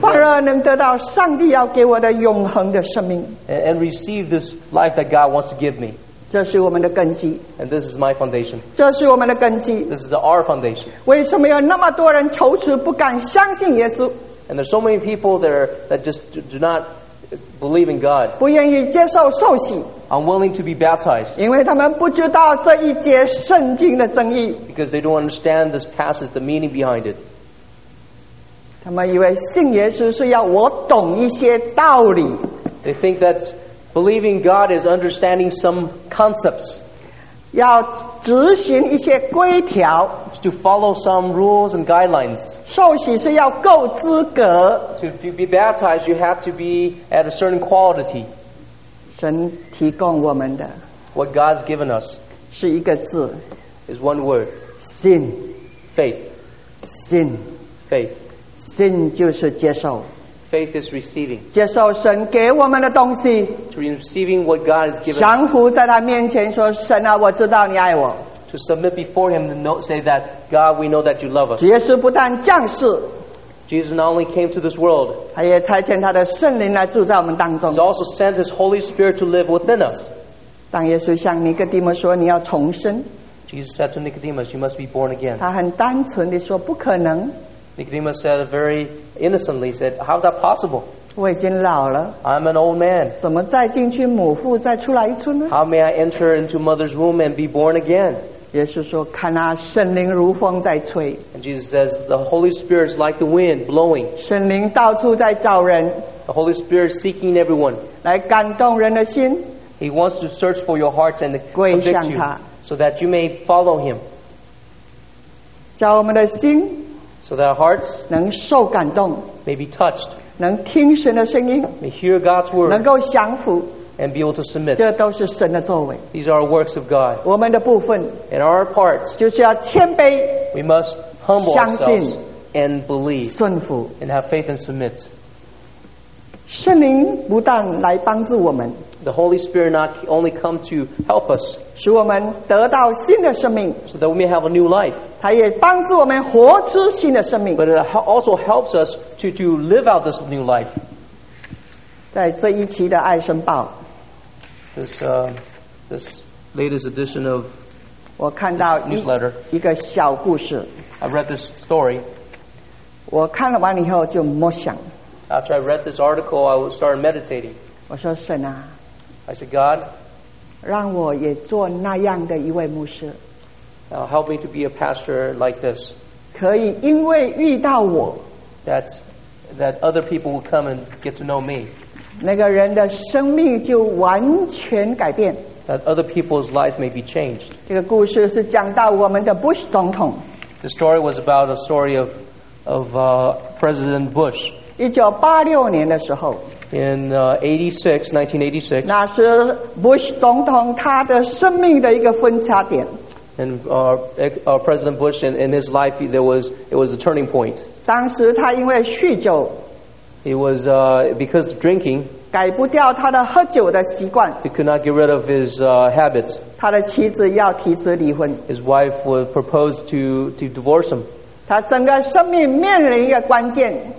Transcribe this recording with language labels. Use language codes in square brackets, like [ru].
[zh] 反而能得到上帝要给我的永恒的生命。 [en] And receive this life that God wants to give me. [zh] 这是我们的根基。 [en] And this is my foundation. [zh] 这是我们的根基。 [en] This is our foundation. [zh] 为什么有那么多人踌躇不敢相信耶稣？ [en] And there's so many people that just do not believe in God. [zh] 不愿意接受受洗。 [en] Unwilling to be baptized. [zh] 因为他们不知道这一节圣经的真意。 [en] Because they don't understand this passage, the meaning behind it. [zh] 他们以为信耶稣是要我懂一些道理。 [en] They think that believing God is understanding some concepts. [zh] 要执行一些规条。 [en] To follow some rules and guidelines. [zh] 受洗是要够资格。 [en] To be baptized, you have to be at a certain quality. [zh] 神提供我们的 [en] What God's given us [zh] 是一个字 [en] is one word [zh] 信 [en] faith [zh] 信 [en] faith [zh] 信就是接受 [en] faith is receiving [zh] 接受神给我们的东西 [en] to receiving what God has given us [zh] 降服在他面前说神啊我知道你爱我 [en] to submit before him and say that God we know that you love us [zh] 耶稣不但降世 [en] Jesus not only came to this world, He's also sent His Holy Spirit to live within us. Jesus said to Nicodemus, you must be born again. [zh] 他很单纯地说不可能。 [en] Nicodemus said very innocently, he said, how is that possible? [zh] 我已经老了。 [en] I'm an old man. [zh] 怎么再进去母腹再出来一次呢？ [en] How may I enter into mother's womb and be born again? [zh] 耶稣说看啊圣灵如风在吹 [en] And Jesus says The Holy Spirit is like the wind blowing [zh] 圣灵到处在找人 [en] The Holy Spirit is seeking everyone [zh] 来感动人的心 [en] He wants to search for your hearts and convict you So that you may follow him [zh] 叫我们的心 [en] So that our hearts [zh] 能受感动 [en] May be touched [zh] 能听神的声音 [en] May hear God's word [zh] 能够降服 [en] And be able to submit. [zh] 这都是神的作为。 [en] These are works of God. [zh] 我们的部分。 [en] And our parts. [zh] 就是要谦卑。 [en] We must humble ourselves. [zh] 相信。 [en] And believe. [zh] 顺服。 [en] And have faith and submit. [zh] 圣灵不但来帮助我们。 [en] The Holy Spirit not only come to help us. [zh] 使我们得到新的生命。 [en] So that we may have a new life. [zh] 它也帮助我们活出新的生命。 [en] But it also helps us to live out this new life. [zh] 在这一期的爱申报。 [en] This latest edition of this newsletter. [zh] 一个小故事 [en] I read this story. [zh] 我看了完以后就默想 [en] After I read this article, I started meditating. [zh] 我说神啊 [en] I said, God, [zh] 让我也做那样的一位牧师 [en] Help me to be a pastor like this. [zh] 可以因为遇到我 [en] That other people will come and get to know me. [zh] 那个人的生命就完全改变。 [en] That other people's life may be changed. [zh] 这个故事是讲到我们的 Bush 总统。 [en] The story was about a story of President Bush. [zh] 1986年的时候。 [en] 1986. [zh] 那是 Bush 总统他的生命的一个分叉点。 [en] And President Bush in his life it was a turning point. [zh] 当时他因为酗酒。 [en] He was because of drinking. [zh] 改不掉他的喝酒的习惯。 [en] He could not get rid of his habits. [zh] 他的妻子要提出离婚。 [en] His wife would propose to divorce him. [zh] 他整个生命面临一个关键。